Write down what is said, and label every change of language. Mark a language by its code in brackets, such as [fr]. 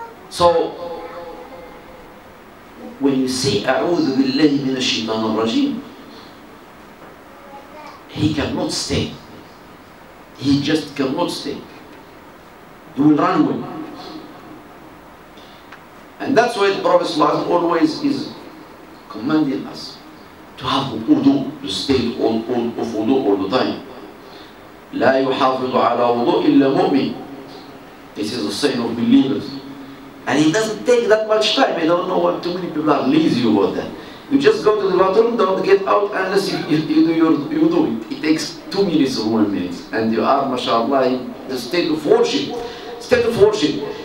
[en] So, when you say [ar] أعوذ بالله من الشيطان الرجيم, [en] he cannot stay. He just cannot stay. He will run away. And that's why the Prophet always is commanding us to have wudu, to stay of wudu all the time. [ar] لا يحافظ على وضوء إلا مؤمن. [en] This is a sign of believers. And it doesn't take that much time. I don't know what too many people are lazy about that. You just go to the bathroom, don't get out unless you do your wudu. It takes 2 minutes or 1 minute. And you are, mashallah, in the state of worship. State of worship.